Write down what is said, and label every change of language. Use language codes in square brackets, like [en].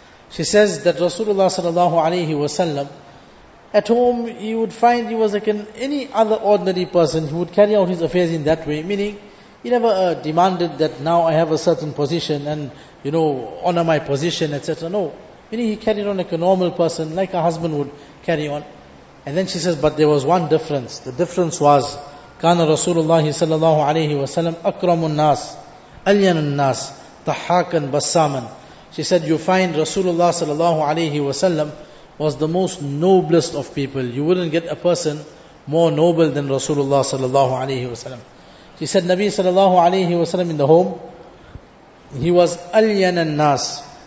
[en] She says that Rasulullah sallallahu alayhi wa sallam, at home he would find he was like any other ordinary person. He would carry out his affairs in that way, meaning he never demanded that now I have a certain position and, you know, honor my position, etc. No, meaning he carried on like a normal person, like a husband would carry on. And then she says, but there was one difference. The difference was, [ar] كان رسول الله صلى الله عليه وسلم أكرم الناس ألين الناس ضحاكا بساما. [en] She said, you find Rasulullah [ar] صلى الله عليه وسلم [en] was the most noblest of people. You wouldn't get a person more noble than Rasulullah صلى الله عليه وسلم. She said, Nabi صلى الله عليه وسلم in the home, he was [ar] ألين الناس.